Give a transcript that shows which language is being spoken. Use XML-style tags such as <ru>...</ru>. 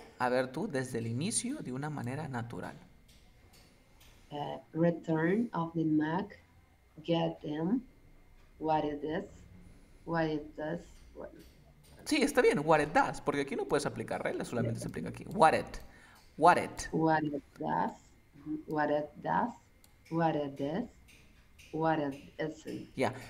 <es>A ver tú desde el inicio de una manera natural.</es> <en>return of the Mac, get them, what it is, what it does, what</en> <es>Sí, está bien.</es> <en>What it does.</en> <es>Porque aquí no puedes aplicar reglas, solamente se aplica aquí.</es> <en>What it. What it. What it does, what it does, what it is, what it isn't.</en>